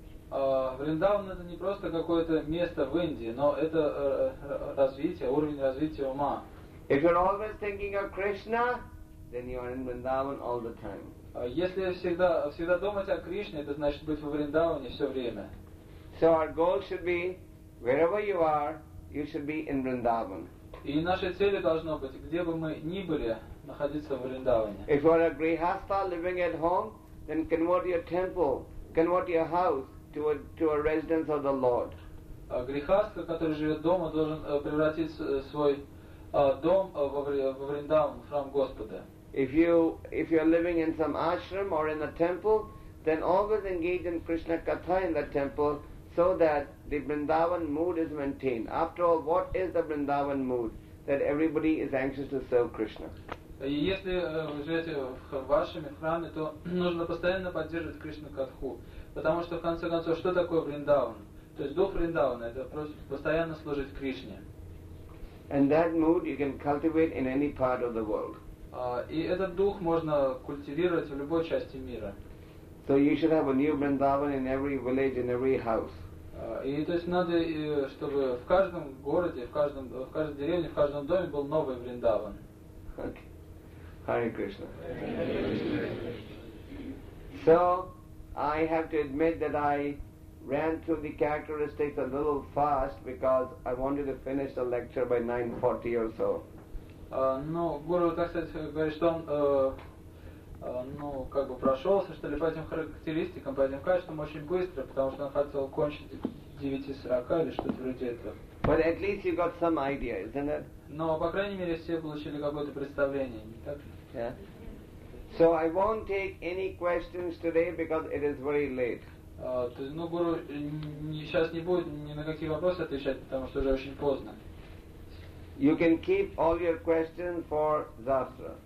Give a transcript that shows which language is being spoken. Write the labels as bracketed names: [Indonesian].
[Russian] Vrindavan это не просто какое-то место в Индии, но это развитие, уровень развития ума. [English] If you're always thinking of Krishna, then you are in Vrindavan all the time. [Russian] Если всегда думать о Кришне, это значит быть во Вриндаване все время. [English] So our goal should be wherever you are, you should be in Vrindavan. [Russian] И нашей целью должно быть, где бы мы ни были, находиться в Вриндаване. [English] If you are a grihastha living at home, then convert your temple, convert your house to a residence of the Lord. [Russian] Грихастха, который живет дома, должен превратить свой дом во Вриндаван, в храм Господа. [English] If you are living in some ashram or in a temple, then always engage in Krishna Katha in the temple. So that the Vrindavan mood is maintained. After all, what is the Vrindavan mood? That everybody is anxious to serve Krishna. [Russian] Если вы живете в вашем храме, то нужно постоянно поддерживать Кришну Катху. Потому что, в конце концов, что такое Вриндаван? То есть дух Вриндавана — это просто постоянно служить Кришне. [English] And that mood you can cultivate in any part of the world. [Russian] И этот дух можно культивировать в любой части мира. [English] So you should have a new Vrindavan in every village, in every house. [Russian] И то есть надо, чтобы в каждом городе, в каждой деревне, в каждом доме был новый Вриндаван. [English] Okay. Hare Krishna. So, I have to admit that I ran through the characteristics a little fast because I wanted to finish the lecture by 9:40 or so. [Russian] Но Гуру, так сказать, говорит, что он ну, как бы прошелся, что ли, по этим характеристикам, по этим качествам очень быстро, потому что он хотел кончить 9:40 или что-то вроде этого. [English] But at least you got some idea, isn't it? [Russian] Но, по крайней мере, все получили какое-то представление, не так ли? [English] Yeah. So I won't take any questions today, because it is very late. [Russian] То есть, ну, Гуру сейчас не будет ни на какие вопросы отвечать, потому что уже очень поздно. [English] You can keep all your questions for [Russian] завтра.